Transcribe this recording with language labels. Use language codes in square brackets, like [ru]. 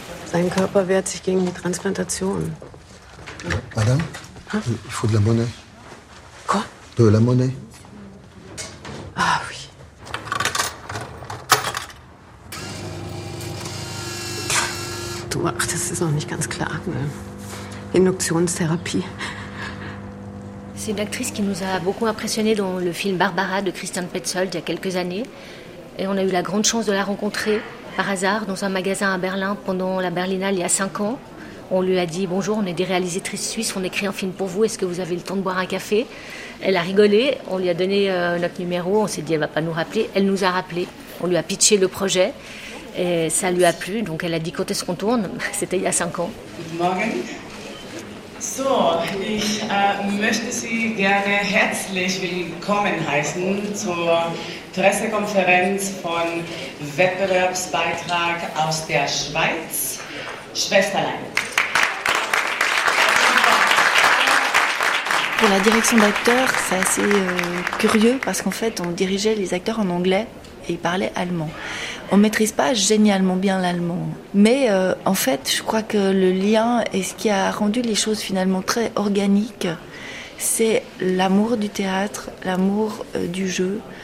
[de] Sein Körper wehrt sich gegen die Transplantation. [fr] Madame, il faut de la monnaie. Quoi? De la monnaie. Ah oui. [de] Du, ach, das ist noch nicht ganz klar. Induktionstherapie. [fr] C'est une actrice qui nous a beaucoup impressionné dans le film Barbara de Christian Petzold il y a quelques années. Et on a eu la grande chance de la rencontrer par hasard dans un magasin à Berlin pendant la Berlinale il y a 5 ans. On lui a dit « Bonjour, on est des réalisatrices suisses, on écrit un film pour vous, est-ce que vous avez le temps de boire un café ?» Elle a rigolé, on lui a donné notre numéro, on s'est dit « Elle ne va pas nous rappeler ». Elle nous a rappelé, on lui a pitché le projet et ça lui a plu. Donc elle a dit « Quand est-ce qu'on tourne ?» C'était il y a 5 ans. [de] Guten Morgen. So, ich möchte Sie gerne herzlich willkommen heißen zur Pressekonferenz von Wettbewerbsbeitrag aus der Schweiz, Schwesterlein. [fr] Pour la direction d'acteurs, c'est assez curieux parce qu'en fait, on dirigeait les acteurs en anglais et ils parlaient allemand. On maîtrise pas génialement bien l'allemand, mais en fait, je crois que le lien et ce qui a rendu les choses finalement très organiques, c'est l'amour du théâtre, l'amour du jeu.